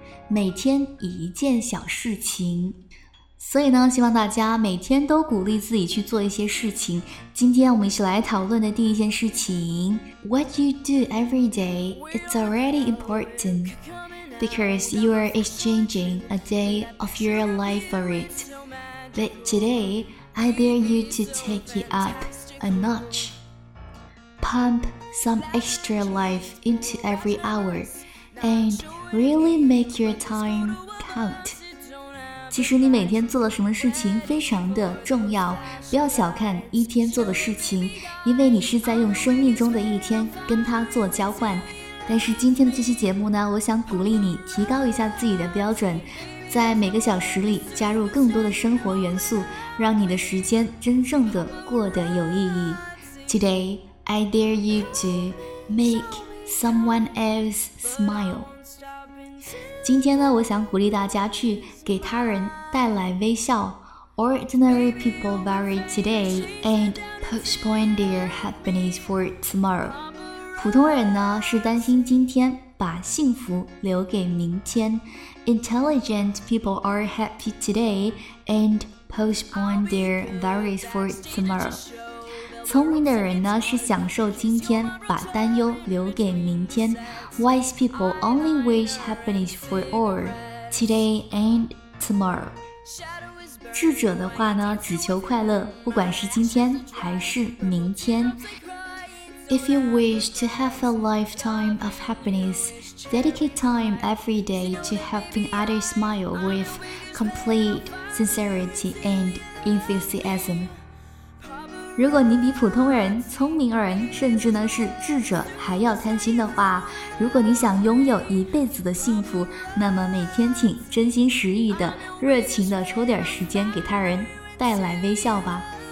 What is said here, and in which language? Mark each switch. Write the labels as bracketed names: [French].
[Chinese] 每天一件小事情，所以呢，希望大家每天都鼓励自己去做一些事情。今天我们一起来讨论的第一件事情 [English] What you do every day is already important because you are exchanging a day of your life for it. But today, I dare you to take it up a notch. Pump some extra life into every hour andReally make your time count. [Chinese] 其实你每天做的什么事情非常的重要，不要小看一天做的事情，因为你是在用生命中的一天跟它做交换。但是今天的这期节目呢，我想鼓励你提高一下自己的标准，在每个小时里加入更多的生活元素，让你的时间真正的过得有意义。 [English] Today, I dare you to make someone else smile. [Chinese] 今天呢，我想鼓励大家去给他人带来微笑。 [English] Ordinary people worry today and postpone their happiness for tomorrow. [Chinese] 普通人呢，是担心今天，把幸福留给明天。 [English] Intelligent people are happy today and postpone their worries for tomorrow. [Chinese] 聪明的人呢，是享受今天，把担忧留给明天。 [English] Wise people only wish happiness for all today and tomorrow. [Chinese] 智者的话呢，只求快乐，不管是今天还是明天。 [English] If you wish to have a lifetime of happiness, dedicate time every day to helping others smile with complete sincerity and enthusiasm. [Chinese] 如果你比普通人、聪明人，甚至呢是智者还要贪心的话，如果你想拥有一辈子的幸福，那么每天请真心实意的、热情的抽点时间给他人带来微笑吧。